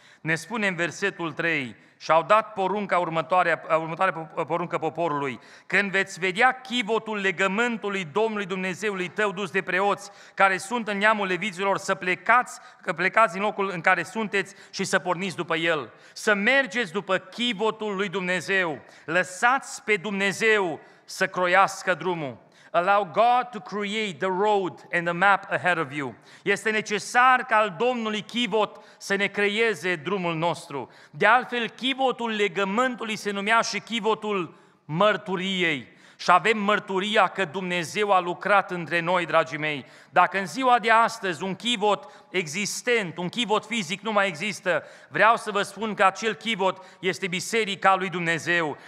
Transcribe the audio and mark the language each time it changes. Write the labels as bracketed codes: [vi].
[ro] Ne spune în versetul 3, și-au dat porunca următoare poruncă poporului: când veți vedea chivotul legământului Domnului Dumnezeului tău dus de preoți care sunt în neamul leviților, să plecați, că plecați din locul în care sunteți și să porniți după el. Să mergeți după chivotul lui Dumnezeu. Lăsați pe Dumnezeu să croiască drumul. [en] Allow God to create the road and the map ahead of you. [ro] Este necesar ca al Domnului chivot să ne creeze drumul nostru. De altfel, chivotul legământului se numea și chivotul mărturiei. Și avem mărturia că Dumnezeu a lucrat între noi, dragii mei. Dacă în ziua de astăzi un chivot existent, un chivot fizic nu mai există, vreau să vă spun că acel chivot este biserica lui Dumnezeu.